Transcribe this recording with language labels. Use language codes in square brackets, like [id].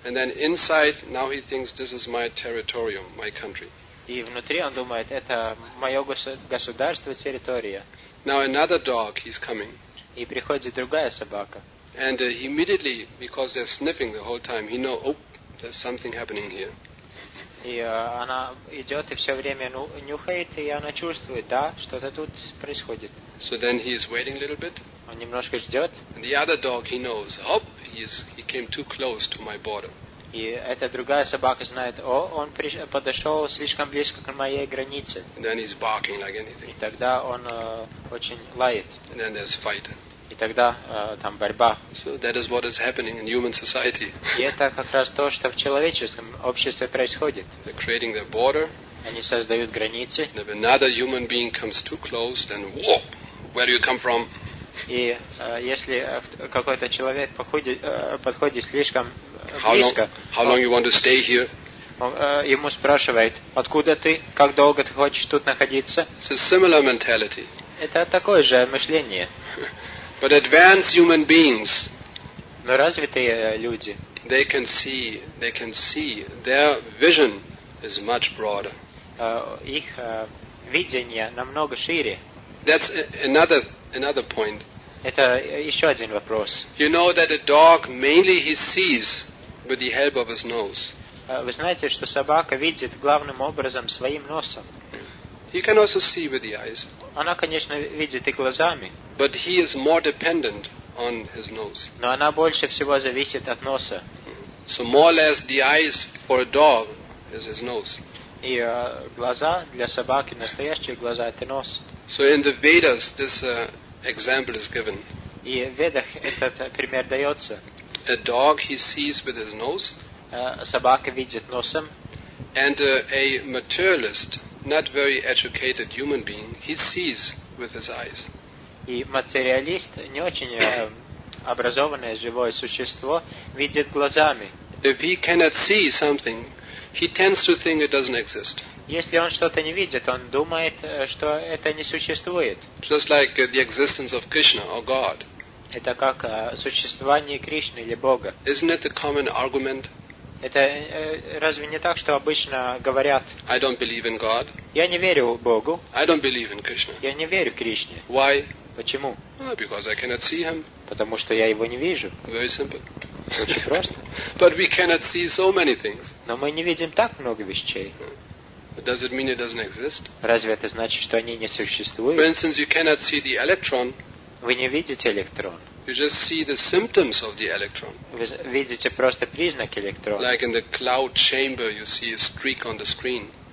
[en] And then inside, now he thinks this is my territorium, my country. [ru] И внутри он думает, это мое государство, территория. [en] Now another dog, he's coming. [ru] И приходит другая собака. [en] And he immediately, because they're sniffing the whole time, he knows, oh, there's something happening here. [ru] И она идет и все время нюхает, и она чувствует, да, что-то тут происходит. [en] So then he is waiting a little bit. [ru] Он немножко ждет. [en] And the other dog, he knows, oh, he came too close to my border. [ru] И эта другая собака знает, о, он подошел слишком близко к моей границе. [en] And then he's barking like anything. [ru] И тогда он очень лает. [en] And then there's fight. [ru] И тогда там борьба. [en] So that is what is happening in human society. [ru] И это как раз то, что в человеческом обществе происходит. [en] They're creating their border. [ru] Они создают границы. [en] And if another human being comes too close, then whoa, where do you come from? [ru] И если какой-то человек подходит слишком близко, ему спрашивает, откуда ты, как долго ты хочешь тут находиться? [en] It's a similar mentality. [ru] Это такое же мышление. [en] But advanced human beings, [ru] но развитые люди, [en] they can see their vision is much broader. [ru] Их видение намного шире. [en] That's another point. [ru] Это еще один вопрос. [en] You know that a dog mainly he sees with the help of his nose. [ru] Вы знаете, что собака видит главным образом своим носом. [en] He can also see with the eyes. [ru] Она, конечно, видит и глазами. [en] But he is more dependent on his nose. [ru] Но она больше всего зависит от носа. [en] So more or less the eyes for a dog is his nose. [ru] И глаза для собаки, настоящие глаза, это нос. [en] So in the Vedas this example is given. [ru] И в Ведах этот пример дается. [en] A dog he sees with his nose. [ru] Собака видит носом. [en] And a materialist, not very educated human being, he sees with his eyes. [ru] И материалист, не очень образованное живое существо, видит глазами. [en] If he cannot see something, he tends to think it doesn't exist. [ru] Если он что-то не видит, он думает, что это не существует. [en] Just like the existence of Krishna or God. [ru] Это как существование Кришны или Бога. [en] Isn't it a common argument? [ru] Это разве не так, что обычно говорят? [en] I don't believe in God. [ru] Я не верю в Богу. [en] I don't believe in Krishna. [ru] Я не верю Кришне. [en] Why? [ru] Почему? [en] Because I cannot see him. [ru] Потому что я его не вижу. [en] Very simple. [ru] Очень просто. [en] But we cannot see so many things. [ru] Но мы не видим так много вещей. [en] Does it mean it doesn't exist? [ru] Разве это значит, что они не существуют? [en] For instance, you cannot see the electron. [ru] Вы не видите электрон. [en] You just see the symptoms of the electron. [ru] Вы видите просто признак электрона. [en] Like in the cloud chamber, you see a streak on the screen.